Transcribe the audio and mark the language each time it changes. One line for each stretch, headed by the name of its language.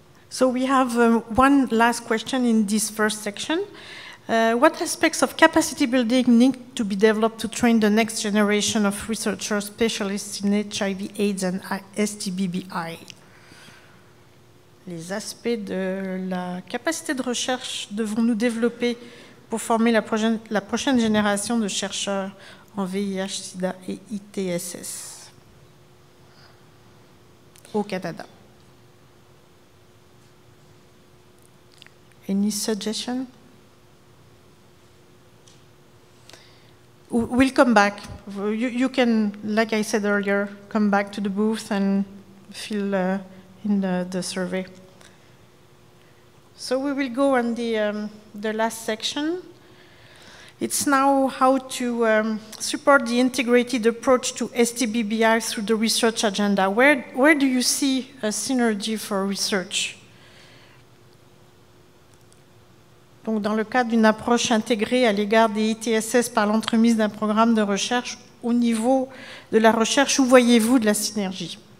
English: So we have one last question in this first section. What aspects of capacity building need to be developed to train the next generation of researchers, specialists in HIV/AIDS and STBBI?
French: Les aspects de la capacité de recherche devons-nous développer pour former la prochaine génération de chercheurs en VIH/SIDA et ITSS au Canada?
English: Any suggestion? We'll come back. You can, like I said earlier, come back to the booth and fill in the survey. So we will go on the last section. It's now how to support the integrated approach to STBBI through the research agenda. Where do you see a synergy for research?
French: Donc, dans le cadre d'une approche intégrée à l'égard des ITSS par l'entremise d'un programme de recherche, au niveau de la recherche, où voyez-vous de la synergie?